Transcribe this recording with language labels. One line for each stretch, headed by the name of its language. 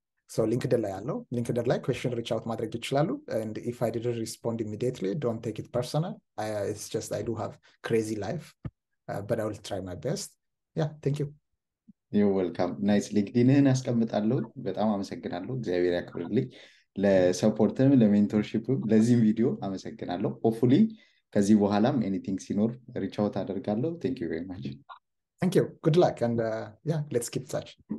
Amharic: So LinkedIn ላይ አለው። LinkedIn ላይ question reach out ማድረግ ይችላሉ።
English: And if I didn't respond immediately, don't take it personal. It's just I do have crazy life, but I will try my best. Yeah, thank you. You're welcome. Nice.
Amharic: LinkedIn-ህን አስቀምጣለሁ። በጣም አመሰግናለሁ። እግዚአብሔር ያክብርልኝ። ለሰፖርትም፣ ለሜንቶርሺፕም፣ ለዚህም ቪዲዮ አመሰግናለሁ። ሆፕፉሊ ከዚህ በኋላም ኤኒቲንግ ሲኖር ሪች አውት አደርጋለሁ።
English: ቴንክ ዩ ቬሪ ማች። ቴንክ ዩ ጉድ ላክ። And yeah, let's keep touch.